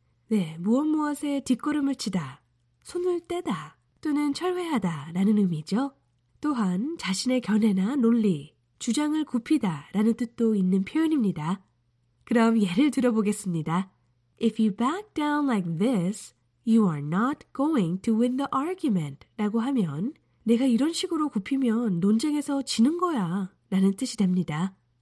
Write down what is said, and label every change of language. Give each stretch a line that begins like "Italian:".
Korean: 네, 무엇 무엇에 뒷걸음을 치다, 손을 떼다, 또는 철회하다 라는 의미죠. 또한 자신의 견해나 논리, 주장을 굽히다 라는 뜻도 있는 표현입니다. 그럼 예를 들어보겠습니다.
English: If you back down like this, you are not going to win the argument.
Korean: 라고 하면 내가 이런 식으로 굽히면 논쟁에서 지는 거야 라는 뜻이 됩니다.